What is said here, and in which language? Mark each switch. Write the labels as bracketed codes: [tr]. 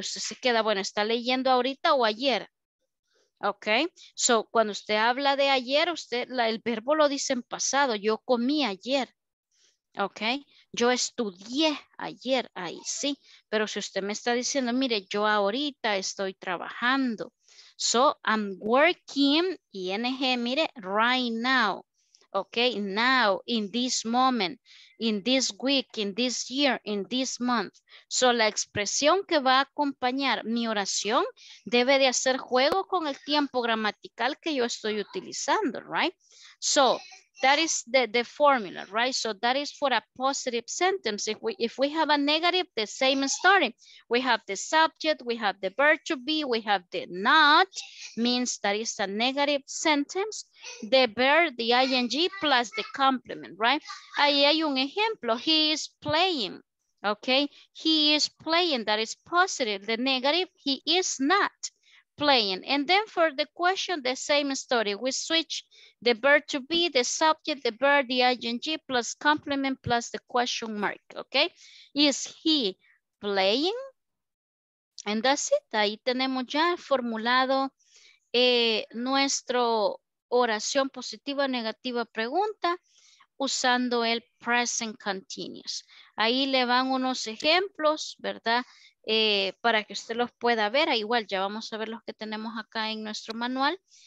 [es] Usted se queda, bueno, ¿está leyendo ahorita o ayer? Ok, so cuando usted habla de ayer, usted, el verbo lo dice en pasado, yo comí ayer. Ok, yo estudié ayer, ahí sí, pero si usted me está diciendo, mire, yo ahorita estoy trabajando. [en] So, I'm working, ing, mire, right now, ok, now, in this moment, in this week, in this year, in this month. [es] So, la expresión que va a acompañar mi oración debe de hacer juego con el tiempo gramatical que yo estoy utilizando, right? [en] So, that is the formula, right? So, that is for a positive sentence. If we have a negative, the same story. We have the subject, we have the verb to be, we have the not, means that is a negative sentence. The verb, the ing, plus the complement, right? [es] Ahí hay un ejemplo. [en] He is playing, okay? He is playing, that is positive. The negative, he is not playing. And then for the question, the same story. We switch the verb to be, the subject, the verb, the ing, plus complement, plus the question mark, okay? Is he playing? And that's it. [es] Ahí tenemos ya formulado nuestro oración positiva, negativa, pregunta, usando el present continuous. Ahí le van unos ejemplos, ¿verdad? Para que usted los pueda ver, igual ya vamos a ver los que tenemos acá en nuestro manual.